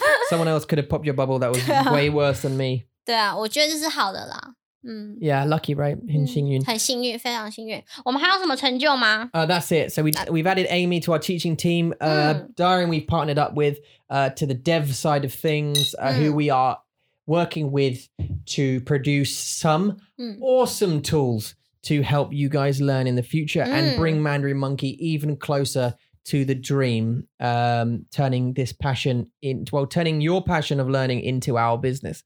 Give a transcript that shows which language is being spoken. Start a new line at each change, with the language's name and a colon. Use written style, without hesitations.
English: Someone else could have popped your bubble that was、啊、way worse than me
Chinese: 对啊我觉得这是好的啦、嗯、
English: Yeah lucky right
Chinese: 很幸运、
English: 嗯、
Chinese: 很幸运非常幸运我们还有什么成就吗、
English: That's it So we've added Amy to our teaching team、Darren we've partnered up with、to the dev side of things、who we areworking with to produce some、 mm. awesome tools to help you guys learn in the future、mm. and bring Mandarin Monkey even closer to the dream,、turning this passion into, well, turning your passion of learning into our business、